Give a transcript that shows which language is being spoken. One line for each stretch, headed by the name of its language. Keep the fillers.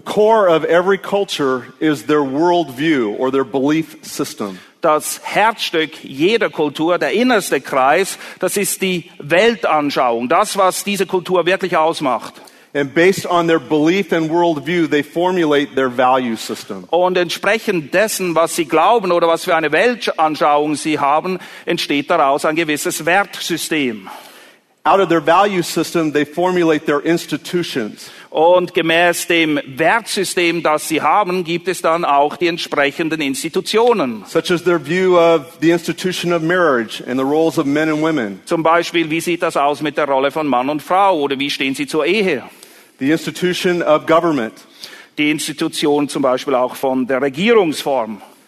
English: core of every culture is their worldview or their belief system.
German: Das Herzstück jeder Kultur, der innerste Kreis, das ist die Weltanschauung, das, was diese Kultur wirklich ausmacht.
English: And based on their belief and worldview, they formulate their value system.
German: Und entsprechend dessen, was sie glauben oder was für eine Weltanschauung sie haben, entsteht daraus ein gewisses Wertsystem.
English: Out of their value system, they formulate their institutions.
German: Und gemäß dem Wertsystem, das sie haben, gibt es dann auch die entsprechenden Institutionen.
English: Such as their view of the institution of marriage and the roles of men and women.
German: Zum Beispiel, wie sieht das aus mit der Rolle von Mann und Frau oder wie stehen sie zur Ehe?
English: The institution of government.
German: Die Institution zum Beispiel auch von der Regierungsform.